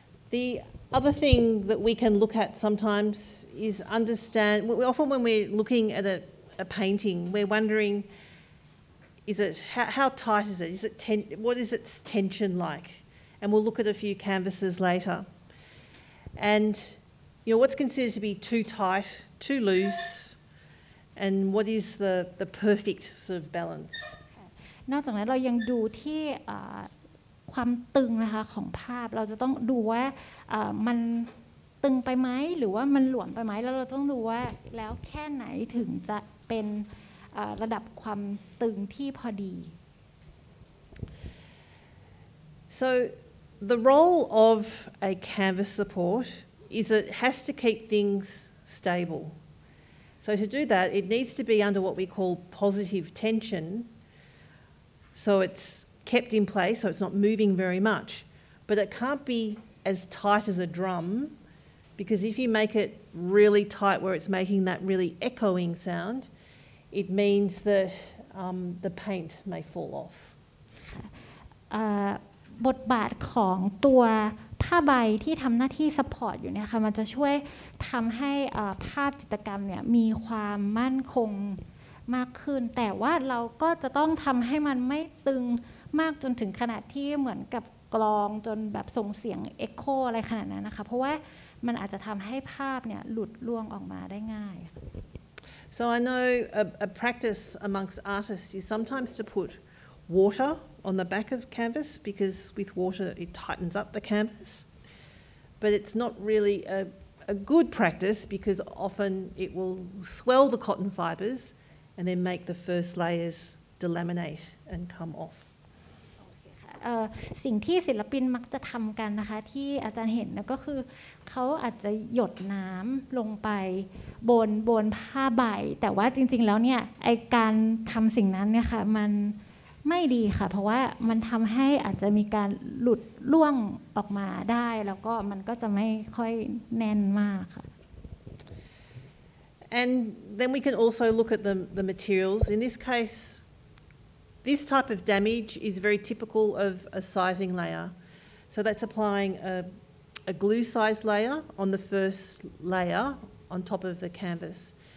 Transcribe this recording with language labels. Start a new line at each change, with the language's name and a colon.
English: The other thing that we can look at sometimes is understand, often when we're looking at a painting, we're wondering, is it, how tight is it? Is it what is its tension like?And we'll look at a few canvases later. And you know, what's considered to be too tight, too loose, and what is the perfect sort of balance?
Thai: นอกจากนั้นเรายังดูที่ความตึงนะคะของภาพเราจะต้องดูว่ามันตึงไปไหมหรือว่ามันหลวมไปไหมแล้วเราต้องดูว่าแล้วแค่ไหนถึงจะเป็นระดับความตึงที่พอดี
English: So the role of a canvas support is it has to keep things stable. So to do that it needs to be under what we call positive tension. So it's kept in place, so it's not moving very much, but it can't be as tight as a drum. Because if you make it really tight where it's making that really echoing sound, it means that the paint may fall off.
Thai: บทบาทของตัวผ้าใบที่ทำหน้าที่ซัพพอร์ตอยู่เนี่ยค่ะมันจะช่วยทำให้ภาพจิตรกรรมเนี่ยมีความมั่นคงมากขึ้นแต่ว่าเราก็จะต้องทำให้มันไม่ตึงมากจนถึงขนาดที่เหมือนกับกลองจนแบบส่งเสียงเอ็กโคอะไรขนาดนั้นนะคะเพราะว่ามันอาจจะทำให้ภาพเนี่ยหลุดล่วงออกมาได้ง่าย
English: So I know a practice amongst artists is sometimes to put water on the back of canvas because with water it tightens up the canvas but it's not really a good practice because often it will swell the cotton fibers and then make the first layers delaminate and come off
Thai: สิ่งที่ศิลปินมักจะทำกันนะคะที่อาจารย์เห็นก็คือเขาอาจจะหยดน้ำลงไปบนผ้าใบแต่ว่าจริงๆแล้วเนี่ยไอการทำสิ่งนั้นเนี่ยค่ะมันไม่ดีค่ะเพราะว่ามันทำให้อาจจะมีการหลุดล่วงออกมาได้แล้วก็มันก็จะไม่ค่อยแน่นมากค่ ะ
English: And then we can also look at the materials in this caseThis type of damage is very typical of a sizing layer. So that's applying a glue size layer on the first layer on top of the canvas.